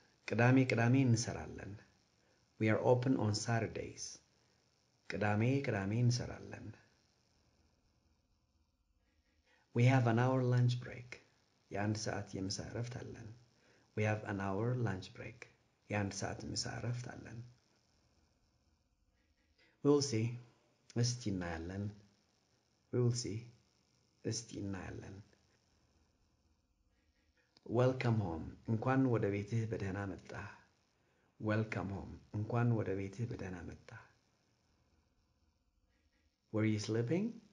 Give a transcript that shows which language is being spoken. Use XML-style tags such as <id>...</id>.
<am>ቅዳሜ ቅዳሜ እንሰራለን።</am> <en>We are open on Saturdays.</en> <am>ቅዳሜ ቅዳሜ እንሰራለን።</am> <en>We have an hour lunch break.</en> <am>የአንድ ሰዓት የምሳ እረፍት አለን።</am> <en>We have an hour lunch break.</en> <am>የአንድ ሰዓት የምሳ እረፍት አለን።</am> <en>We'll see.</en> <am>እስቲ እናያለን።</am> <en>We'll see.</en> <am>እስቲ እናያለን። Welcome home. እንኳን ወደ ቤትህ በደህና መጣ።</am> <en>Welcome home.</en> <am>እንኳን ወደ ቤትህ በደህና መጣ።</am> <en>Were you sleeping?</en>